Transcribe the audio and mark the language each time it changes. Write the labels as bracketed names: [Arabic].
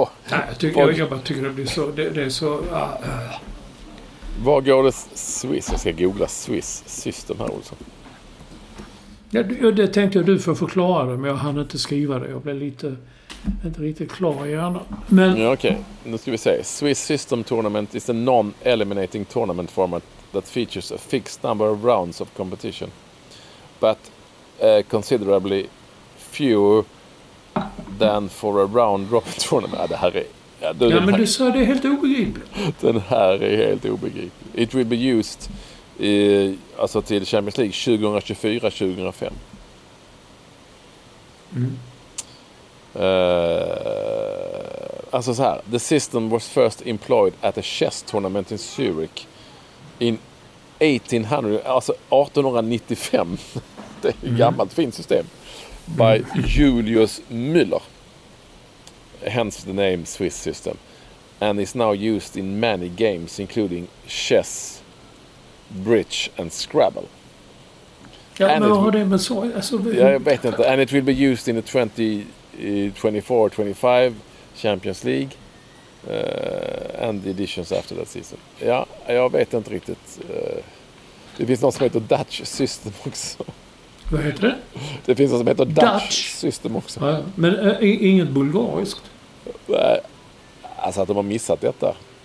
[Swedish] Jag tycker det blir så, det är så Var går det Swiss? Jag ska googla Swiss system här också. Ja, det tänkte jag du får förklara det, men jag hann inte skriva det. Jag blev inte riktigt klar i hjärnan. Men... Ja, okej, nu ska vi se. [English] Swiss System Tournament is a non-eliminating tournament format that features a fixed number of rounds of competition, but considerably fewer than for a round-robin tournament. [Swedish] Det här är... Ja, du, ja, men här... du sa det är helt obegripligt. Den här är helt obegripligt. [English] It will be used... I, [Swedish] alltså till [English] Champions League 2024-2025. Mm. [Swedish] Alltså så här. [English] The system was first employed at a chess tournament in Zurich in 1800, [Swedish] alltså [English] 1895. [Swedish] Det är ett gammalt fint system. [English] By Julius Müller. Hence the name Swiss system. And is now used in many games including chess, bridge and Scrabble. [Swedish] Ja, and men har det med så? Alltså, ja, jag vet inte. [English] And it will be used in the 2024-25 Champions League and the editions after that season. [Swedish] Ja, jag vet inte riktigt. Det finns något som heter Dutch System också. Vad heter det? Det finns något som heter Dutch System också. Ja, men inget bulgariskt? Alltså att de har missat detta.